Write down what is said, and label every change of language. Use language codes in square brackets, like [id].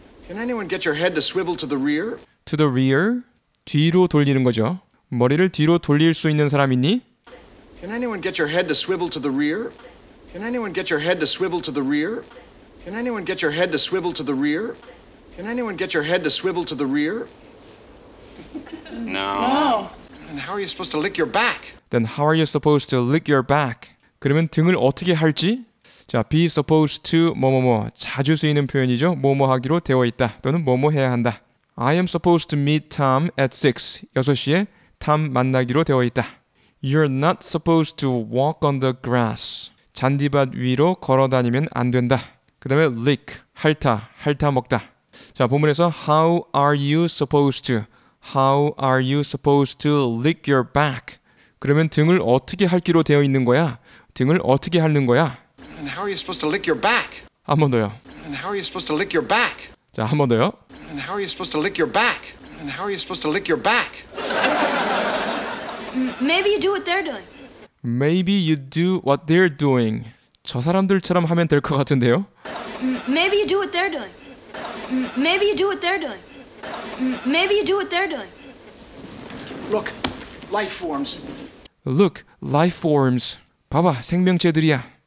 [en] Can anyone get your head to swivel to the rear? To the rear? [ko] 뒤로 돌리는 거죠. 머리를 뒤로 돌릴 수 있는 사람 있니? [en] Can anyone get your head to swivel to the rear? Can anyone get your head to swivel to the rear? Can anyone get your head to swivel to the rear? Can anyone get your head to swivel to the rear? No. Then how are you supposed to lick your back? Then how are you supposed to lick your back? [ko] 그러면 등을 어떻게 할지? 자, be supposed to 뭐뭐뭐 자주 쓰이는 표현이죠. 뭐뭐 하기로 되어 있다 또는 뭐뭐 해야 한다. [en] I am supposed to meet Tom at 6. [ko] 6시에 Tom 만나기로 되어 있다. [en] You're not supposed to walk on the grass. [ko] 잔디밭 위로 걸어 다니면 안 된다. 그 다음에 lick, 핥아, 핥아 먹다. 자, 본문에서 [en] How are you supposed to? How are you supposed to lick your back? [ko] 그러면 등을 어떻게 핥기로 되어 있는 거야? 등을 어떻게 핥는 거야? [en] And how are you supposed to lick your back? [ko] 한 번 더요. [en] And how are you supposed to lick your back? [ko] 자, 한 번 더요. [en] And how are you supposed to lick your back? And how are you supposed to lick your back? Maybe you do what they're doing. Maybe you do what they're doing. [ko] 저 사람들처럼 하면 될 것 같은데요. [en] Maybe you do what they're doing. Maybe you do what they're doing. Maybe you do what they're doing. Look, life forms. Look, life forms. [ko] 봐봐, 생명체들이야.